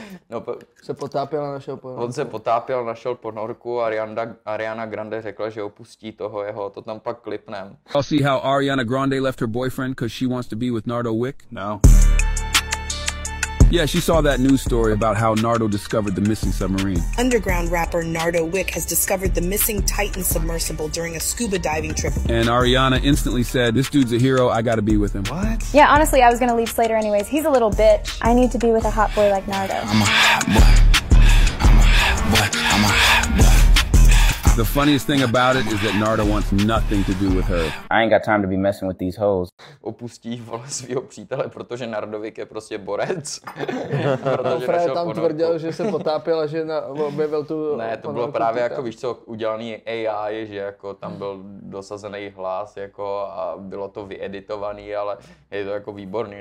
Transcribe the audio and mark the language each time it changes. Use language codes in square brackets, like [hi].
[cs] On se potápěl a našel ponorku a Ariana Grande řekla, že opustí toho jeho, to tam pak klipnem. [en] I'll see how Ariana Grande left her boyfriend because she wants to be with Nardo Wick? No. Yeah, she saw that news story about how Nardo discovered the missing submarine. Underground rapper Nardo Wick has discovered the missing Titan submersible during a scuba diving trip. And Ariana instantly said, this dude's a hero, I gotta be with him. What? Yeah, honestly, I was gonna leave Slater anyways. He's a little bitch. I need to be with a hot boy like Nardo. I'm a hot boy. I'm a hot boy. I'm a hot boy. The funniest thing about it is that Nardo wants nothing to do with her. I ain't got time to be messing with these hoes. [cs] Opustí vole svýho přítele, protože Nardovik je prostě borec. Fred tam ponorku. Tvrdil, že se potápěl a že objevil tu ponorku. Ne, to bylo právě jako, víš co, udělaný AI, že jako tam byl dosazený hlas jako a bylo to vyeditovaný, ale je to jako výborný.